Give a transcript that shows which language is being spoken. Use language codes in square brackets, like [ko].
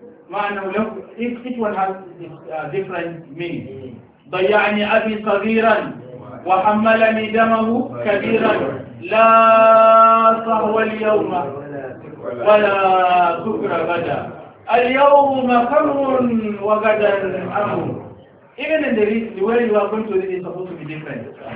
[ar] معناه لو [en] each one has different meaning. [ar] ضيعني أبي صغيرا وحملني دمه كبيرا لا صهو اليوم ولا سكر غدا. اليوم خمر وغدا أمر. [en] Even in the way you are going to read it is supposed to be different.